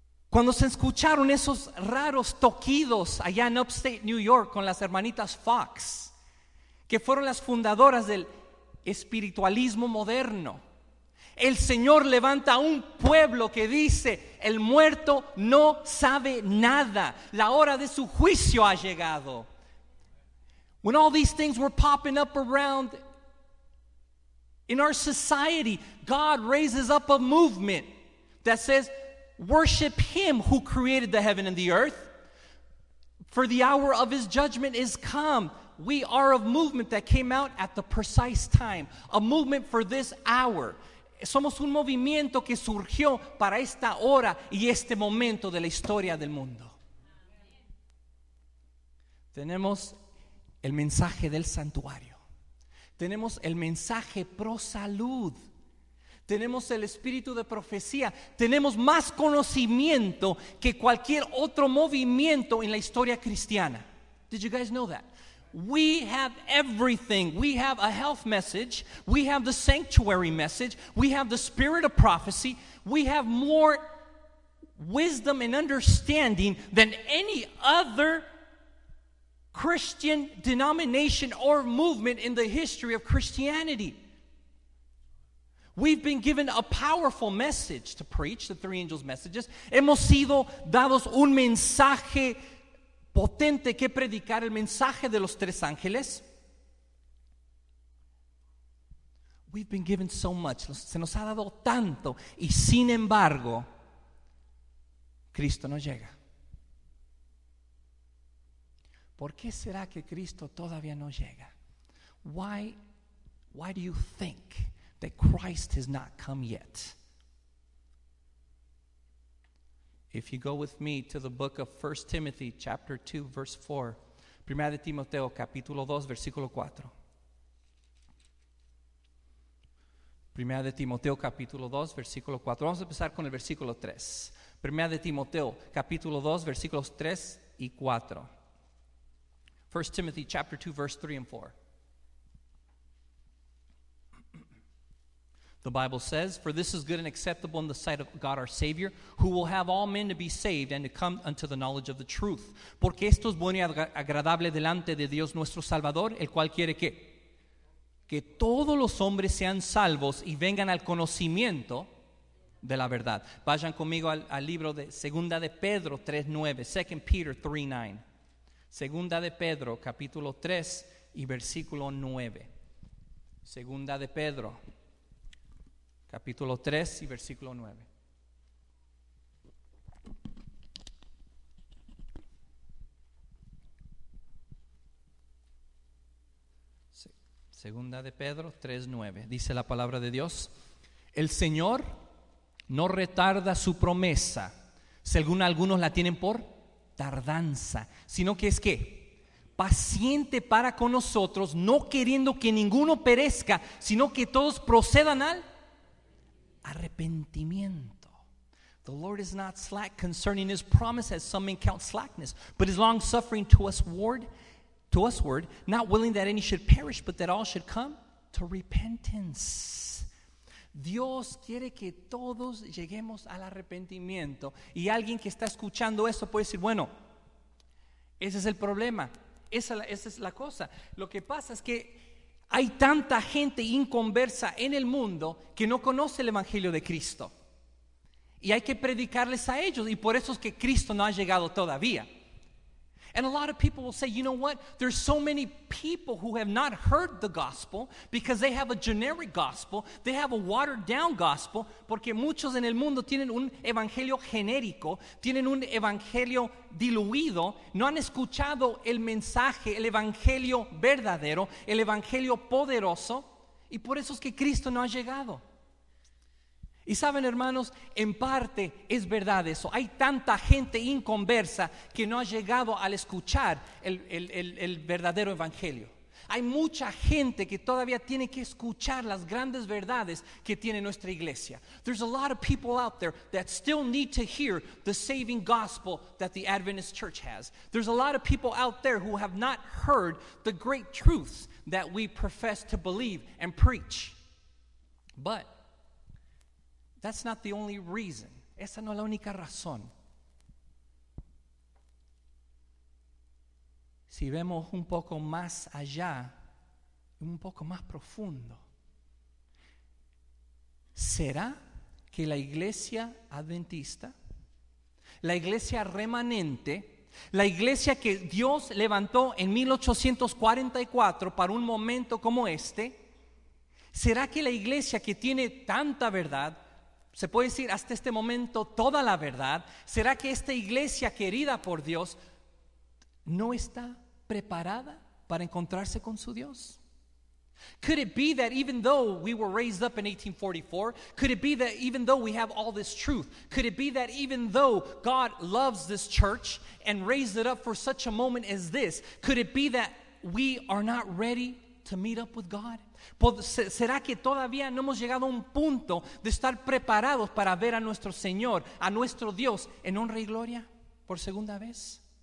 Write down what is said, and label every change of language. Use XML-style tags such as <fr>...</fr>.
<es>Cuando se escucharon esos raros toquidos allá en Upstate New York con las hermanitas Fox, que fueron las fundadoras del espiritualismo moderno, el Señor levanta a un pueblo que dice: el muerto no sabe nada, la hora de su juicio ha llegado.</es> <en>When all these things were popping up around in our society, God raises up a movement that says, worship him who created the heaven and the earth, for the hour of his judgment is come. We are a movement that came out at the precise time, a movement for this hour.</en> <es>Somos un movimiento que surgió para esta hora y este momento de la historia del mundo. Tenemos el mensaje del santuario. Tenemos el mensaje pro salud. Tenemos el espíritu de profecía. Tenemos más conocimiento que cualquier otro movimiento en la historia cristiana.</es> <en>Did you guys know that? We have everything. We have a health message. We have the sanctuary message. We have the spirit of prophecy. We have more wisdom and understanding than any other Christian denomination or movement in the history of Christianity. We've been given a powerful message to preach, the three angels' messages.</en> <es>Hemos sido dados un mensaje potente que predicar, el mensaje de los tres ángeles.</es> <en>We've been given so much.</en> <es>Se nos ha dado tanto. Y sin embargo, Cristo no llega. ¿Por qué será que Cristo todavía no llega?</es> <en>Why do you think that Christ has not come yet? If you go with me to the book of 1 Timothy chapter 2 verse 4.</en> <es>Primera de Timoteo capítulo 2 versículo 4. Primera de Timoteo capítulo 2 versículo 4. Vamos a empezar con el versículo 3. Primera de Timoteo capítulo 2 versículos 3 y 4.</es> <en>1 Timothy chapter 2 verse 3 and 4. The Bible says, for this is good and acceptable in the sight of God our Savior, who will have all men to be saved and to come unto the knowledge of the truth.</en> <es>Porque esto es bueno y agradable delante de Dios nuestro Salvador, el cual quiere que todos los hombres sean salvos y vengan al conocimiento de la verdad. Vayan conmigo al libro de Segunda de Pedro 3:9,</es> <en>2 Peter 3:9.</en> <es>Segunda de Pedro capítulo 3 y versículo 9. Segunda de Pedro capítulo 3 y versículo 9. Segunda de Pedro 3:9 dice la palabra de Dios: el Señor no retarda su promesa, según algunos la tienen por tardanza, sino que es que paciente para con nosotros, no queriendo que ninguno perezca, sino que todos procedan al arrepentimiento.</es> <en>The Lord is not slack concerning his promise, as some men count slackness, but is long suffering to us ward, to us ward, not willing that any should perish, but that all should come to repentance.</en> <es>Dios quiere que todos lleguemos al arrepentimiento. Y alguien que está escuchando esto puede decir, bueno, ese es el problema, esa es la cosa. Lo que pasa es que hay tanta gente inconversa en el mundo que no conoce el Evangelio de Cristo. Y hay que predicarles a ellos, y por eso es que Cristo no ha llegado todavía.</es> <en>And a lot of people will say, you know what? There's so many people who have not heard the gospel because they have a generic gospel. They have a watered down gospel.</en> <es>Porque muchos en el mundo tienen un evangelio genérico, tienen un evangelio diluido, no han escuchado el mensaje, el evangelio verdadero, el evangelio poderoso, y por eso es que Cristo no ha llegado. Y saben, hermanos, en parte es verdad eso. Hay tanta gente inconversa que no ha llegado al escuchar el verdadero evangelio. Hay mucha gente que todavía tiene que escuchar las grandes verdades que tiene nuestra iglesia.</es> <en>There's a lot of people out there that still need to hear the saving gospel that the Adventist Church has. There's a lot of people out there who have not heard the great truths that we profess to believe and preach. But that's not the only reason.</en> <es>Esa no es la única razón. Si vemos un poco más allá, un poco más profundo, ¿será que la iglesia adventista, la iglesia remanente, la iglesia que Dios levantó en 1844 para un momento como este, será que la iglesia que tiene tanta verdad, se puede decir hasta este momento toda la verdad, será que esta iglesia querida por Dios no está preparada para encontrarse con su Dios?</es> <en>Could it be that even though we were raised up in 1844, could it be that even though we have all this truth, could it be that even though God loves this church and raised it up for such a moment as this, could it be that we are not ready to meet up with God?</en> <es>¿Será que todavía no hemos llegado a un punto de estar preparados para ver a nuestro Señor, a nuestro Dios, en honra y gloria por segunda vez?</es>